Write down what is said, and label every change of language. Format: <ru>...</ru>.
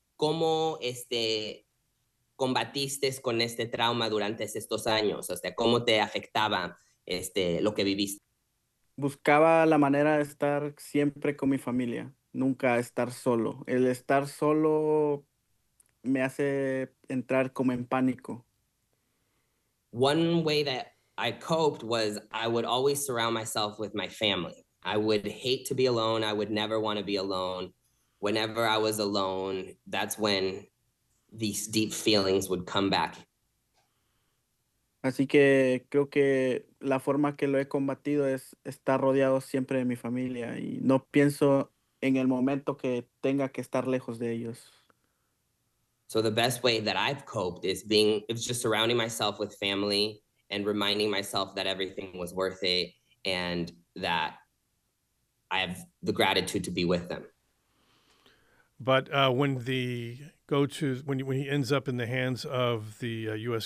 <es>¿Cómo combatiste con este trauma durante estos años? O sea, ¿cómo te afectaba lo que viviste? Buscaba la manera de estar siempre con mi familia, nunca estar solo. El estar solo me hace entrar como en pánico.</es> <en>One way that I coped was I would always surround myself with my family. I would hate to be alone. I would never want to be alone. Whenever I was alone, that's when these deep feelings would come back.</en> <es>Así que creo que la forma que lo he combatido es estar rodeado siempre de mi familia y no pienso en el momento que tenga que estar lejos de ellos.</es> <en>So the best way that I've coped is being, it's just surrounding myself with family and reminding myself that everything was worth it and that I have the gratitude to be with them. But when the go to when he ends up in the hands of the U.S.</en>